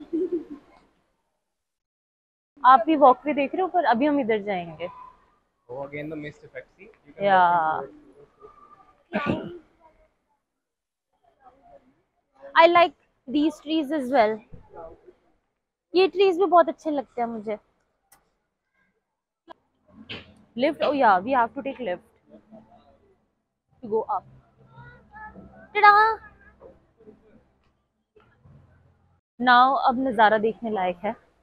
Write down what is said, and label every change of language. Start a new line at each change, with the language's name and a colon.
Hindi: आप ये walk भी देख रहे हो पर अभी हम इधर जाएंगे.
English: Oh, again the mist effect. Yeah. I like these trees as well.
Hindi: ये trees भी बहुत अच्छे लगते हैं मुझे.
English: Lift? Oh yeah, we have to take lift to go up. Ta-da! Now
Hindi: अब नज़ारा देखने लायक है.